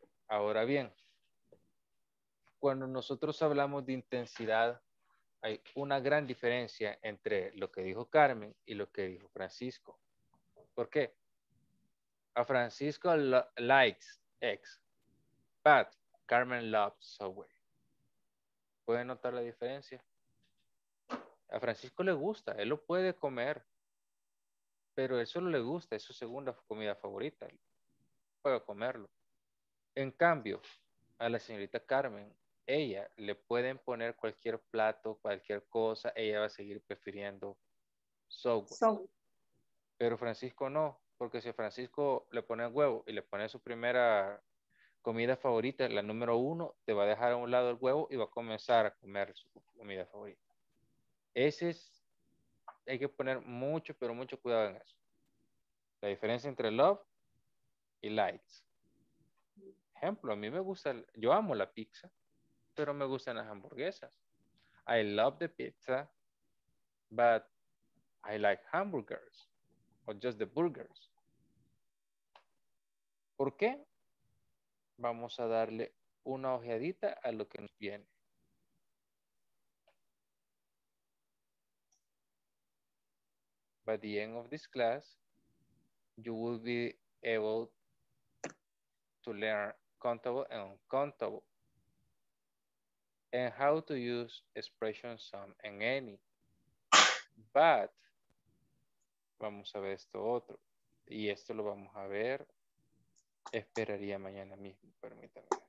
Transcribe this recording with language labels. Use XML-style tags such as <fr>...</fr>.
<es>Ahora bien, cuando nosotros hablamos de intensidad, hay una gran diferencia entre lo que dijo Carmen y lo que dijo Francisco. ¿Por qué?</es> <en>A Francisco likes X, but Carmen loves Subway.</en> <es>¿Pueden notar la diferencia? A Francisco le gusta, él lo puede comer, pero él solo le gusta, es su segunda comida favorita. Puede comerlo. En cambio, a la señorita Carmen, ella le pueden poner cualquier plato, cualquier cosa, ella va a seguir prefiriendo Subway. Pero Francisco no, porque si a Francisco le pone el huevo y le pone su primera comida favorita, la número uno, te va a dejar a un lado el huevo y va a comenzar a comer su comida favorita. Hay que poner mucho, pero mucho cuidado en eso. La diferencia entre love y likes. Ejemplo, a mí me gusta, yo amo la pizza, pero me gustan las hamburguesas.</es> <en>I love the pizza, but I like hamburgers. O just the burgers.</en> <es>¿Por qué? Vamos a darle una ojeadita a lo que nos viene.</es> <en>By the end of this class, you will be able to learn countable and uncountable, and how to use expressions some and any.</en> <es>But, vamos a ver esto otro. Y esto lo vamos a ver, esperaría mañana mismo, permítanme.</es>